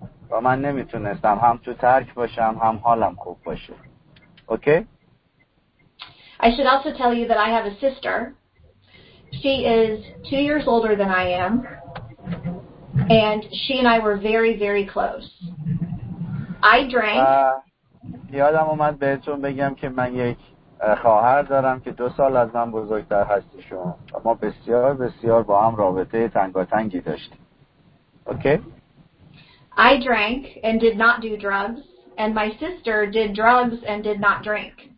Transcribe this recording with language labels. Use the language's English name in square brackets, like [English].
[Persian] و من نمیتونستم هم تو ترک باشم هم حالم خوب باشه. [English] Okay? I should also tell you that I have a sister. She is 2 years older than I am. And she and I were very, very close. I drank. [Persian] یادم اومد بهتون بگم که من یک خواهر دارم که 2 سال از من بزرگتر هستیشون. ما بسیار بسیار با هم رابطه تنگاتنگی داشتیم. [English] Okay? I drank and did not do drugs, and my sister did drugs and did not drink.